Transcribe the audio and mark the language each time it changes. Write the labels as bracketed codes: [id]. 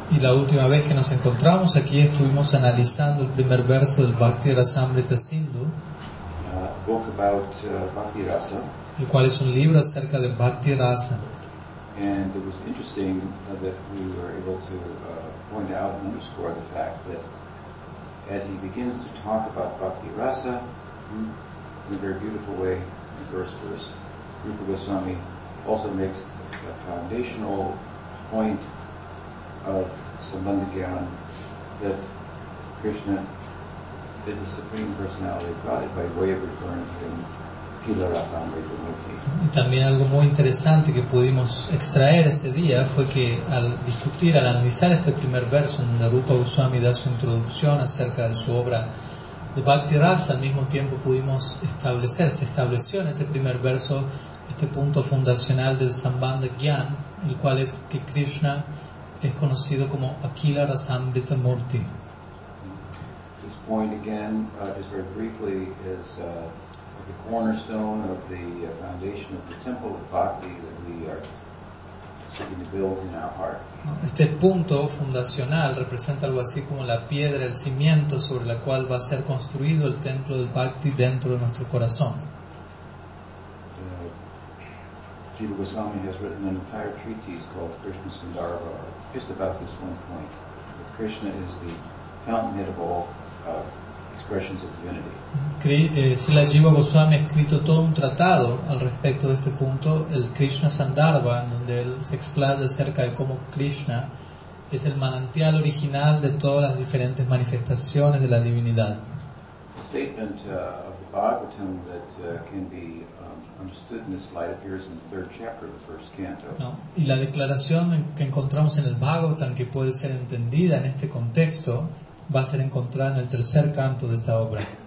[es] Y la última vez que nos encontramos aquí estuvimos analizando el primer verso del Bhakti-rasamrita-sindhu. [en] Book about Bhakti-rasa. [es] El cual es un libro acerca de Bhakti-rasa. [en] And it was interesting that we were able to point out and underscore the fact that as he begins to talk about Bhakti Rasa in a very beautiful way in the first verse, Rupa Goswami also makes a foundational point of Sambandha Gyan that Krishna is the Supreme Personality of Godhead by way of referring to him. [es] Y también algo muy interesante que pudimos extraer ese día fue que al discutir, al analizar este primer verso donde Rupa Goswami da su introducción acerca de su obra de Bhakti Rasa, al mismo tiempo pudimos establecer, se estableció en ese primer verso este punto fundacional del Sambandha Gyan, el cual es que Krishna es conocido como Akila Rasamrita Murti. [en] This point again, just very briefly, is the cornerstone of the foundation of the temple of bhakti that we are seeking to build in our heart. [es] Este punto fundacional representa algo así como la piedra, el cimiento sobre la cual va a ser construido el templo del bhakti dentro de nuestro corazón. [en] Jiva Goswami has written an entire treatise called Krishna Sandarbha just about this one point, that Krishna is the fountainhead of all expressions of divinity. [es] Srila Jiva Goswami ha escrito todo un tratado al respecto de este punto, el Krishna Sandarbha, en donde él se explaya acerca de cómo Krishna es el manantial original de todas las diferentes manifestaciones de la divinidad. [en] The statement of the Bhagavatam that can be understood in this light appears in the third chapter of the first canto. [es] No. Y la declaración que encontramos en el Bhagavatam que puede ser entendida en este contexto va a ser encontrada en el tercer canto de esta obra.